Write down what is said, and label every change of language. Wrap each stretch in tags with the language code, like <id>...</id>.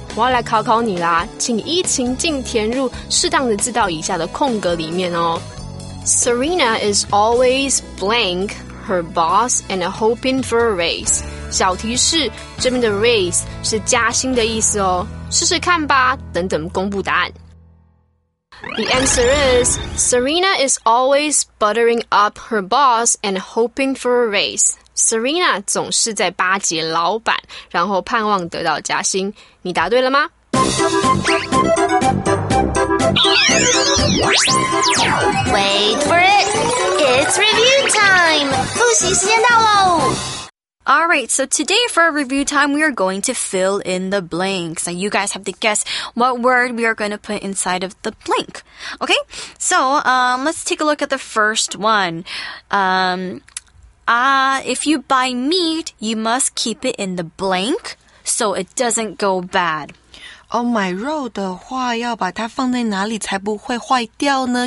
<zh>我要来考考你啦，请依情境填入适当的字到以下的空格里面哦。</zh> <en>Serena is always blank her boss and hoping for a raise.</en> <zh>小提示，这边的 raise 是加薪的意思哦。试试看吧，等等公布答案。</zh> <en>The answer is, Serena is always buttering up her boss and hoping for a raise.</en> <zh>Serena 总是在巴结老板，然后盼望得到加薪。你答对了吗？</zh> <en>Wait for it. It's review time.</en> <zh>复习时间到喽。</zh> <en>All right, so today for our review time, we are going to fill in the blanks. Now, you guys have to guess what word we are going to put inside of the blank. Okay, so let's take a look at the first one. If you buy meat, you must keep it in the blank so it doesn't go bad.</en> <zh>哦，买肉的话要把它放在哪里才不会坏掉呢？</zh>